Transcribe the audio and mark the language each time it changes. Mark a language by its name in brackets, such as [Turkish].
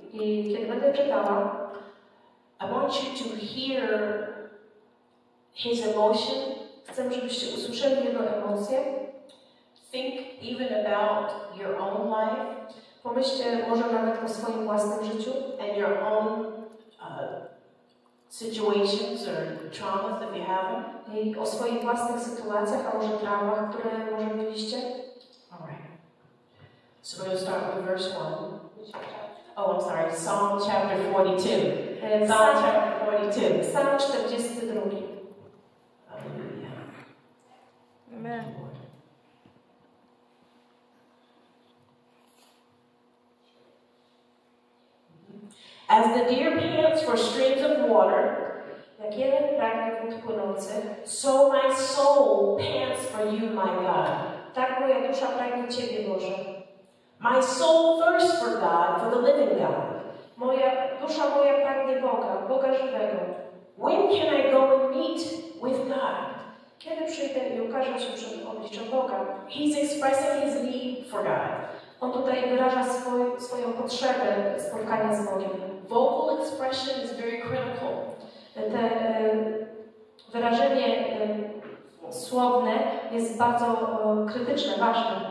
[Polish] i kiedy będę czytała, [English] I want you to hear his emotion. [Polish] Chcę, żebyście usłyszeli jego emocje. [English] Think even about your own life. [Polish] Pomyślcie może nawet o swoim własnym życiu. [English] And your own situations or traumas that you have. [Polish] I o swoich własnych sytuacjach, a może traumach, które może mieliście. [English] All right. So we're going to start with verse 1. Oh, I'm sorry. Psalm chapter 42. Psalm chapter 42. Psalm 42. Hallelujah. Amen. As the deer pants for streams of water, [Polish] jak jeleń pragnie wód płynących, [English] so my soul pants for you, my God. [Polish] Tak moja dusza pragnie Ciebie, Boże. [English] My soul thirsts for God, for the living God. [Polish] Moja dusza moja pragnie Boga, Boga żywego. [English] When can I go and meet with God? [Polish] Kiedy przyjdę i ukażę się przed obliczem Boga? [English] He's expressing his need for God. [Polish] On tutaj wyraża swoją potrzebę spotkania z Bogiem. [English] Vocal expression is very critical. [Polish] Te wyrażenie słowne jest bardzo krytyczne, ważne.